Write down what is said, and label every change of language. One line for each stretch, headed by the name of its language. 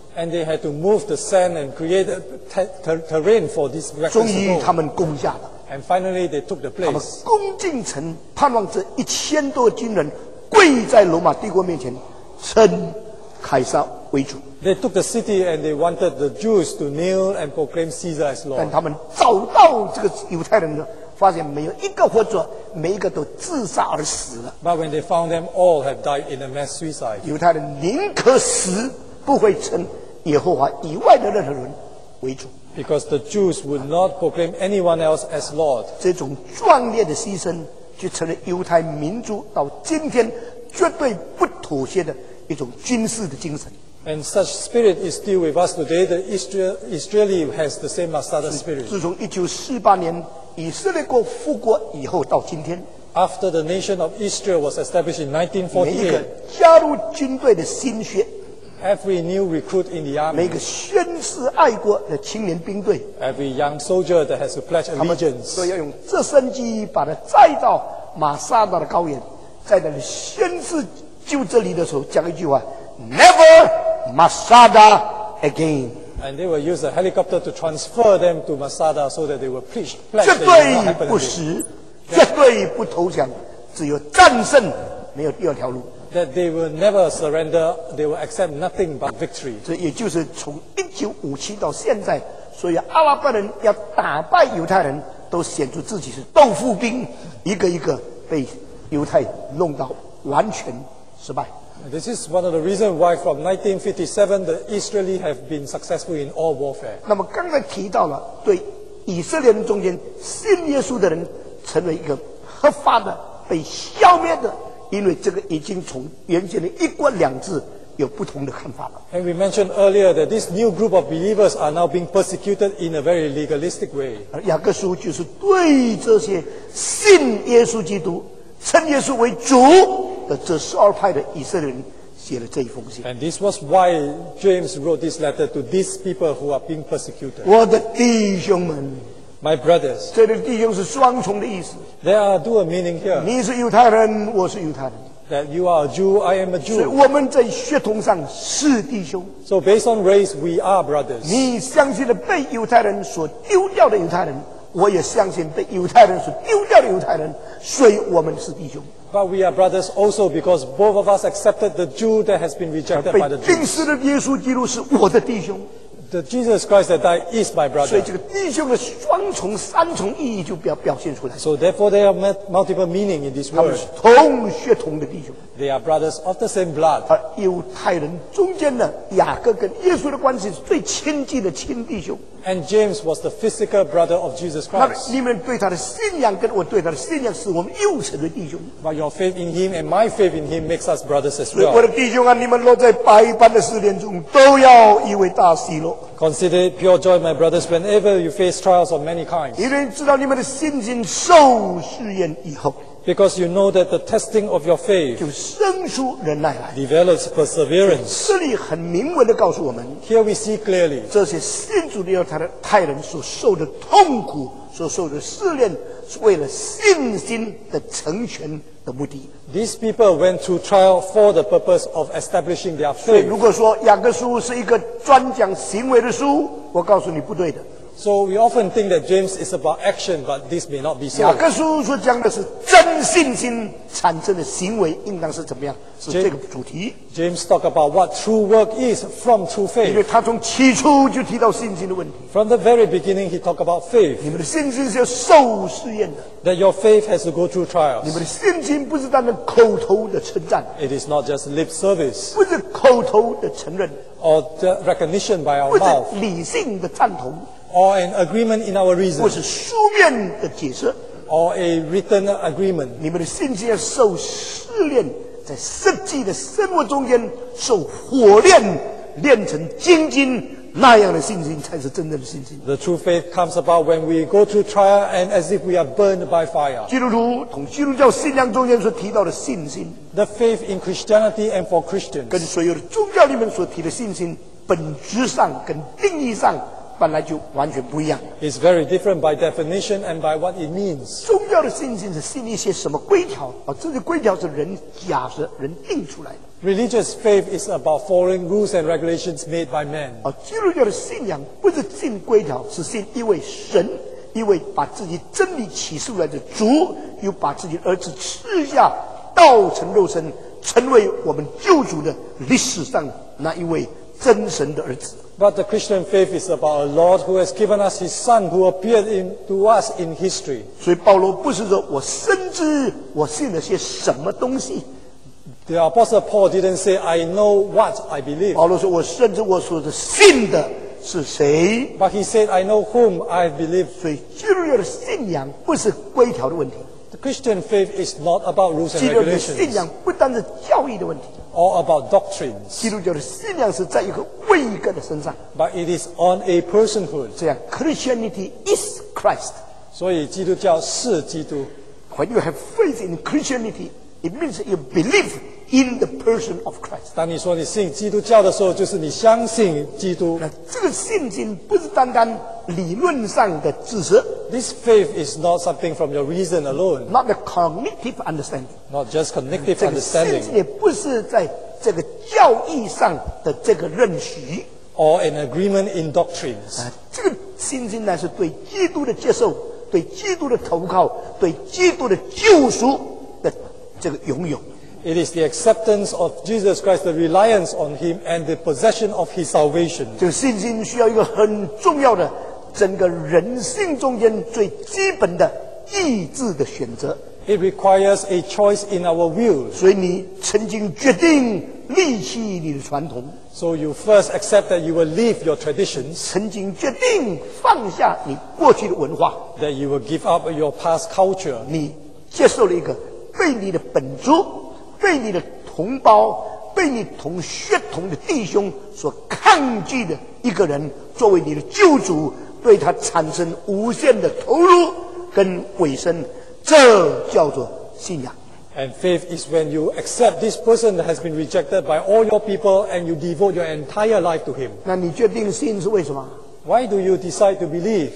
English: And they had to move the sand and create terrain for this weapon.
Chinese: 终于他们攻下了。
English: And finally, they took the place.
Chinese: 他们攻进城，盼望这一千多军人跪在罗马帝国面前，称凯撒为主。
English: They took the city and they wanted the Jews to kneel and proclaim Caesar as Lord.
Chinese: 但他们找到这个犹太人呢，发现没有一个活着，每一个都自杀而死了。
English: But when they found them, all had died in a mass suicide.
Chinese: 犹太人宁可死，不会称耶和华以外的任何人为主。
English: Because the Jews would not proclaim anyone else as Lord.
Chinese: 这种壮烈的牺牲就成了犹太民族到今天绝对不妥协的一种军事的精神。
English: And such spirit is still with us today. The Israeli has the same Masada spirit.
Chinese: 自从1948年以色列国复国以后到今天，
English: After the nation of Israel was established in 1948,
Chinese: 每一个加入军队的心血，
English: Every new recruit in the army,
Chinese: 每个宣誓爱国的青年兵队，
English: Every young soldier that has to pledge allegiance,
Chinese: 都要用直升机把他载到马萨达的高原，在那里宣誓就这里的时候讲一句话，
English: Never Masada again. And they will use a helicopter to transfer them to Masada so that they will pledge.
Chinese: 绝对不死，绝对不投降，只有战胜，没有第二条路。
English: That they will never surrender, they will accept nothing but victory.
Chinese: 这也就是从1957到现在，所以阿拉伯人要打败犹太人，都显出自己是豆腐兵，一个一个被犹太弄到完全失败。
English: This is one of the reasons why from 1957 the Israelis have been successful in all warfare.
Chinese: 那么刚才提到了，对以色列人中间信耶稣的人成为一个合法的被消灭的，因为这个已经从原先的一国两制有不同的看法了。
English: And we mentioned earlier that this new group of believers are now being persecuted in a very legalistic way.
Chinese: 雅各书就是对这些信耶稣基督、称耶稣为主的这12派的以色列人写了这一封信。
English: And this was why James wrote this letter to these people who are being persecuted.
Chinese: 我的弟兄们。
English: My brothers,
Chinese: 这里弟兄是双重的意思。
English: There are dual meaning here.
Chinese: 你是犹太人，我是犹太人。
English: That you are a Jew, I am a Jew.
Chinese: 所以我们在血统上是弟兄。
English: So based on race, we are brothers.
Chinese: 你相信了被犹太人所丢掉的犹太人，我也相信被犹太人所丢掉的犹太人，所以我们是弟兄。
English: But we are brothers also because both of us accepted the Jew that has been rejected by the Jews.
Chinese: 被钉死的耶稣基督是我的弟兄。
English: The Jesus Christ that died is my brother.
Chinese: 所以这个弟兄的双重、三重意义就表现出来。
English: So therefore, there are multiple meaning in this word.
Chinese: 他们是同血统的弟兄。
English: They are brothers of the same blood.
Chinese: 而犹太人中间呢，雅各跟耶稣的关系是最亲近的亲弟兄。
English: And James was the physical brother of Jesus Christ.
Chinese: 你们对他的信仰跟我对他的信仰是我们又成的弟兄。
English: But your faith in him and my faith in him makes us brothers as well.
Chinese: 所以我的弟兄啊，你们落在百般的试炼中，都要以为大喜了。
English: Consider it pure joy, my brothers, whenever you face trials of many kinds.
Chinese: 因为知道你们的信心受试验以后。
English: Because you know that the testing of your faith
Chinese: 就生出忍耐来
English: develops perseverance.
Chinese: 这里很明文地告诉我们
English: Here we see clearly
Chinese: 这些信主的犹太人所受的痛苦所受的试炼是为了信心的成全的目的
English: These people went to trial for the purpose of establishing their faith.
Chinese: 所以如果说雅各书是一个专讲行为的书我告诉你不对的
English: So we often think that James is about action, but this may not be so.
Chinese: 雅各书所讲的是真信心产生的行为应当是怎么样？是这个主题。
English: James talk about what true work is from true faith.
Chinese: 因为他从起初就提到信心的问题。
English: From the very beginning, he talk about faith.
Chinese: 你们的信心是要受试验的。
English: That your faith has to go through trials.
Chinese: 你们的信心不是单单口头的称赞。
English: It is not just lip service.
Chinese: 不是口头的承认。
English: Or the recognition by our mouth.
Chinese: 不是理性的赞同。
English: Or an agreement in our reason.
Chinese: 或是书面的解释。
English: Or a written agreement.
Chinese: 你们的信心要受试炼，在实际的生活中间受火炼，炼成精金，那样的信心才是真正的信心。
English: The true faith comes about when we go through trial and as if we are burned by fire.
Chinese: 基督徒同基督教信仰中间所提到的信心。
English: The faith in Christianity and for Christians.
Chinese: 跟所有的宗教里面所提的信心，本质上跟定义上。本来就完全不一样。
English: It's very different by definition and by what it means.
Chinese: 宗教的信心是信一些什么规条？啊，这些规条是人假设、人定出来的。
English: Religious faith is about following rules and regulations made by man.
Chinese: 啊，基督教的信仰不是信规条，是信一位神，一位把自己真理启示出来的主，又把自己儿子赐下道成肉身，成为我们救主的历史上那一位真神的儿子。
English: But the Christian faith is about a Lord who has given us His Son who appeared to us in history.
Chinese: 所以保罗不是说我深知我信了些什么东西。
English: The Apostle Paul didn't say, I know what I believe.
Chinese: 保罗说我深知我所信的是谁。
English: But he said, I know whom I believe.
Chinese: 所以基督教的信仰不是规条的问题。
English: The Christian faith is not about rules and regulations.
Chinese: 基督教的信仰不单是教义的问题。
English: Or about doctrines.
Chinese: 基督教的信仰是在一个位格的身上。
English: But it is on a personhood.
Chinese: 这样
English: ，Christianity is Christ.
Chinese: 所以基督教是基督。
English: When you have faith in Christianity, it means you believe in the person of Christ.
Chinese: 当你说你信基督教的时候，就是你相信基督。那这个信心不是单单理论上的知识。
English: This faith is not something from your reason alone. Not the cognitive understanding. Not just cognitive understanding.
Chinese: 这个信心也不是在这个教义上的这个认识。
English: Or an agreement in doctrines.
Chinese: 这个信心呢是对基督的接受，对基督的投靠，对基督的救赎的这个拥有。
English: It is the acceptance of Jesus Christ, the reliance on Him, and the possession of His salvation.
Chinese: 这个信心需要一个很重要的。整个人性中间最基本的意志的选择。
English: It requires a choice in our will.
Chinese: 所以你曾经决定离弃你的传统。
English: So you first accept that you will leave your traditions.
Chinese: 曾经决定放下你过去的文化。
English: That you will give up your past culture.
Chinese: 你接受了一个被你的本族、被你的同胞、被你同血统的弟兄所抗拒的一个人作为你的救主。对他产生无限的投入跟委身，这叫做信仰。
English: And faith is when you accept this person that has been rejected by all your people and you devote your entire life to him.
Chinese: 那你决定信是为什么
English: ？Why do you decide to believe?